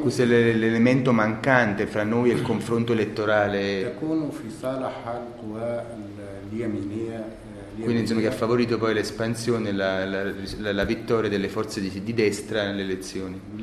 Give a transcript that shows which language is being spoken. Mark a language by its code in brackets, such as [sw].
[it] Questo è l'elemento mancante fra noi e il confronto elettorale. [ar] تكون في صالح القوى اليمينية. [it] Quindi insomma che ha favorito poi l'espansione, la vittoria delle forze di destra nelle elezioni.